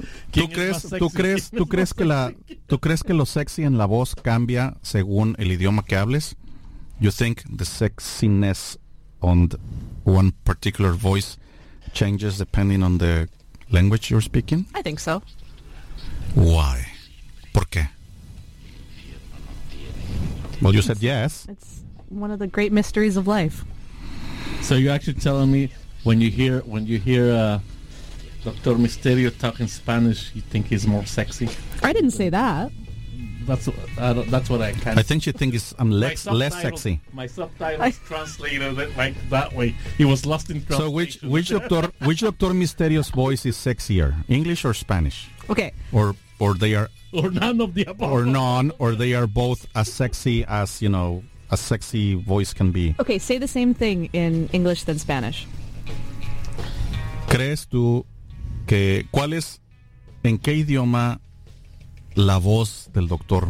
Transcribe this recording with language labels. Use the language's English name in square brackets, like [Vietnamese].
[Spanish] ¿Tú crees que lo sexy en la voz cambia según el idioma que hables? [English] You think the sexiness on the one particular voice changes depending on the language you're speaking? I think so. Why? [Spanish] ¿Por qué? [English] Well, you said yes. It's one of the great mysteries of life. So you're actually telling me when you hear Dr. Mysterio talking Spanish, you think he's more sexy? I didn't say that. That's what I think you think is less sexy. My subtitles translated it like that way. He was lost in translation. So which doctor Mysterio's voice is sexier, English or Spanish? Okay. Or they are both as sexy as, you know, a sexy voice can be. Okay, say the same thing in English than Spanish. [Spanish] ¿Crees tú que en qué idioma la voz del Dr.